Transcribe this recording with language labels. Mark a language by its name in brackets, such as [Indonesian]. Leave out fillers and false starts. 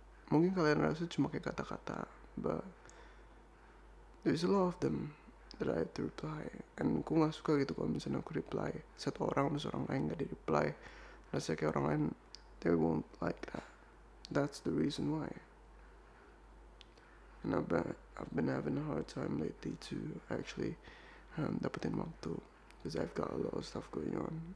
[Indonesian] Mungkin kalian rasa cuma kayak kata-kata, [English] but there's a lot of them that I have to reply. [Indonesian] And aku gak suka gitu kalau misalnya aku reply satu orang, terus orang lain gak di reply. Rasanya kayak orang lain, [English] they won't like that. That's the reason why. And I've been having a hard time lately to actually [Indonesian] dapetin waktu, [English] because I've got a lot of stuff going on.